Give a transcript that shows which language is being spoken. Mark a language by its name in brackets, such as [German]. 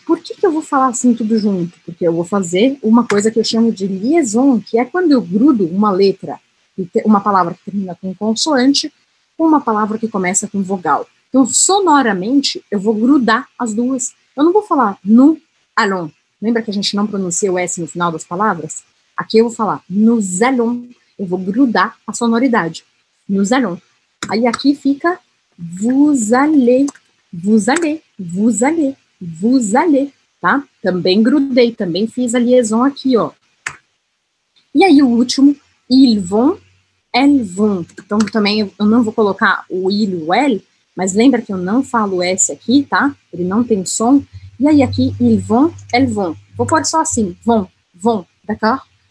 [Portuguese] Por que, que eu vou falar assim tudo junto? Porque eu vou fazer uma coisa que eu chamo de liaison, que é quando eu grudo uma letra, uma palavra que termina com consoante, com uma palavra que começa com vogal. Então, sonoramente, eu vou grudar as duas. Eu não vou falar [French] nous allons. [Portuguese] Lembra que a gente não pronuncia o S no final das palavras? Aqui eu vou falar [French] nous allons. [Portuguese] Eu vou grudar a sonoridade. [French] Nous allons. [Portuguese] Aí aqui fica [French] vous allez, vous allez, vous allez, [Portuguese] vous allez, tá? Também grudei, também fiz a liaison aqui, ó. E aí o último, [French] ils vont, elles vont. [Portuguese] Então também eu não vou colocar o il ou elle, mas lembra que eu não falo S aqui, tá? Ele não tem som. E aí aqui, [French] ils vont, elles vont. [Portuguese] Vou pôr só assim, [French] vont, vont, d'accord?